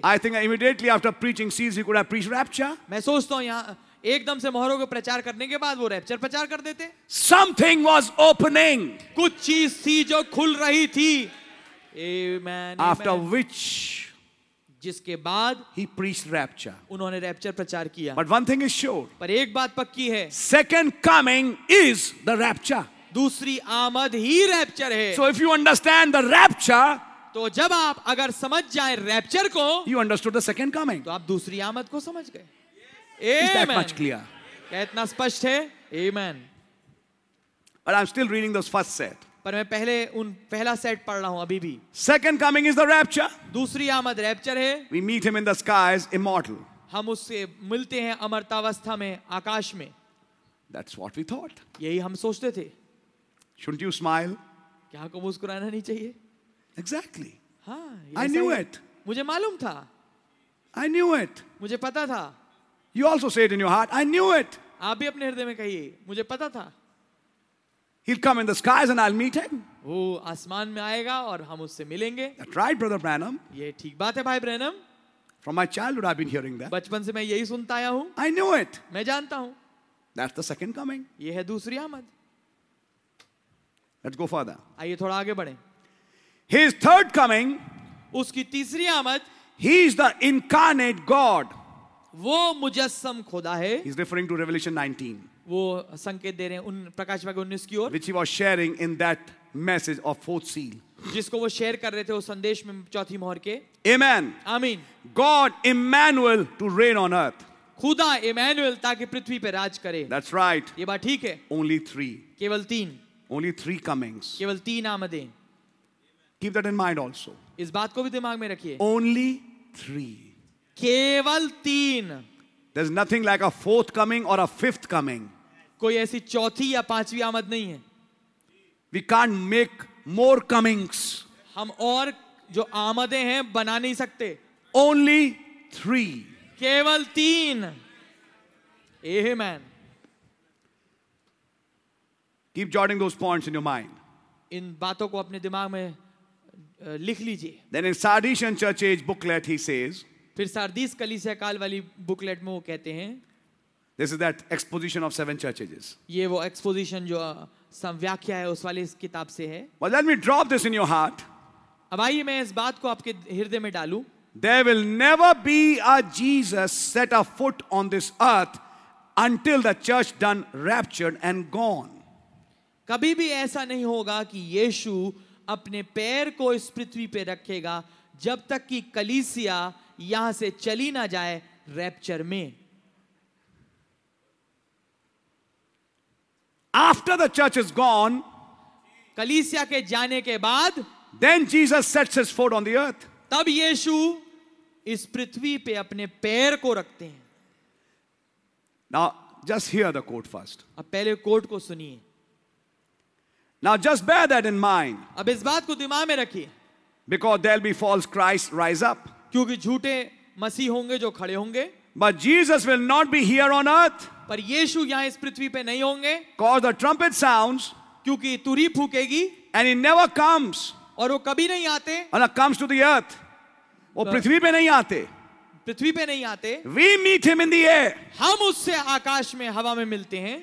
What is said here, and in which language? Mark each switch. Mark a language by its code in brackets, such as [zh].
[en] I think immediately after preaching seals he could have preached rapture. [hi] मैं सोचता हूँ यहाँ एकदम से मोहरों को प्रचार करने के बाद वो रैप्चर प्रचार कर देते. [en] Something was opening. [hi] कुछ चीज थी जो खुल रही थी. Amen. [en] After amen. Which, [hi] जिसके बाद, [en] he preached rapture. [hi] उन्होंने रैप्चर प्रचार किया. [en] But one thing is sure. [hi] पर एक बात पक्की है. [en] Second coming is the rapture. [hi] दूसरी आमद ही रैप्चर है. [en] So if you understand the rapture, [hi] तो जब आप अगर समझ जाएं रैप्चर को, [en] you understood the second coming. [hi] तो आप दूसरी आमद को समझ गए. [en] Amen. Is that much clear? [hi] क्या इतना स्पष्ट है? Amen. [en] But I'm still reading those first set. [hi] पर मैं पहले उन पहला सेट पढ़ रहा हूं अभी भी. [en] Second coming is the rapture. [hi] दूसरी आमद रैप्चर है. [en] We meet him in the skies immortal. [hi] हम उससे मिलते हैं अमरतावस्था में आकाश में. [en] That's what we thought. [hi] यही हम सोचते थे. [en] Shouldn't you smile. [hi] क्या को मुस्कुराना नहीं चाहिए? [en] Exactly. [hi] हाँ, [en] I knew it. [hi] मुझे मालूम था. [en] I knew it. [hi] मुझे पता था. [en] You also say it in your heart. I knew it. [hi] आप भी अपने हृदय में कहिए मुझे पता था. [en] He'll come in the skies and I'll meet him. [hi] वो आसमान में आएगा और हम उससे मिलेंगे. [en] That's right, brother Branham. [hi] ये ठीक बात है भाई Branham. [en] From my childhood I've been hearing that. [hi] बचपन से मैं यही सुनता आया हूँ. [en] I knew it. [hi] मैं जानता हूँ. [en] That's the second coming. [hi] ये है दूसरी आमद. [en] Let's go further. [hi] आइए थोड़ा आगे बढ़ें. [en] His third coming. [hi] उसकी तीसरी आमद. [en] He is the incarnate God. [hi] वो मुजस्सम खुदा है. [en] He's referring to Revelation 19. [hi] वो संकेत दे रहे हैं उन प्रकाश भाग 19 की ओर. [en] Which he was sharing in that message of fourth seal. [hi] जिसको वो शेयर कर रहे थे उस संदेश में चौथी मोहर के. [en] Amen. Amen. God Emmanuel to reign on earth. [hi] खुदा Emmanuel ताकि पृथ्वी पर राज करे. [en] That's right. [hi] ये बात ठीक है. [en] Only three. [hi] केवल तीन. [en] Only three comings. [hi] केवल तीन आमदे. [en] Keep that in mind also. [hi] इस बात को भी दिमाग में रखिए. [en] Only three. [hi] केवल तीन. [en] There's nothing like a fourth coming or a fifth coming. [hi] कोई ऐसी चौथी या पांचवी आमद नहीं है. [en] We can't make more comings. [hi] हम और जो आमदें हैं बना नहीं सकते. [en] Only three. [hi] केवल तीन. Amen. [en] Keep jotting those points in your mind. [hi] इन बातों को अपने दिमाग में लिख लीजिए. [en] Then in Sardisian Church Age booklet he says. [hi] फिर सार्दिस कलीसिया काल वाली बुकलेट में वो कहते हैं. [en] This is that exposition of seven churches. [hi] ये वो exposition जो संव्याख्या है उस वाली इस किताब से है. [en] Well, let me drop this in your heart. [hi] अब आइए मैं इस बात को आपके हृदय में डालूं. [en] There will never be a Jesus set a foot on this earth until the church done raptured and gone. [hi] कभी भी ऐसा नहीं होगा कि यीशु अपने पैर को इस पृथ्वी पे रखेगा जब तक कि कलीसिया यहां से चली ना जाए रैप्चर में. [en] After the church is gone. [hi] कलीसिया के जाने के बाद. [en] Then Jesus sets his foot on the earth. [hi] तब यीशु इस पृथ्वी पे अपने पैर को रखते हैं. [en] Now just hear the quote first. [hi] अब पहले कोट को सुनिए. [en] Now just bear that in mind. [hi] अब इस बात को दिमाग में रखिए. [en] Because there be false Christ rise up. [hi] क्योंकि झूठे मसीह होंगे जो खड़े होंगे. [en] But Jesus will not be here on earth. [hi] पर यीशु यहां इस पृथ्वी पे नहीं होंगे. [en] Cause the trumpet sounds. [hi] क्योंकि तुरी फूकेगी. [en] And he never comes. [hi] और वो कभी नहीं आते. [en] And he comes to the earth. [hi] वो पृथ्वी पे नहीं आते. पृथ्वी पे नहीं आते. [en] We meet him in the air. [hi] हम उससे आकाश में हवा में मिलते हैं.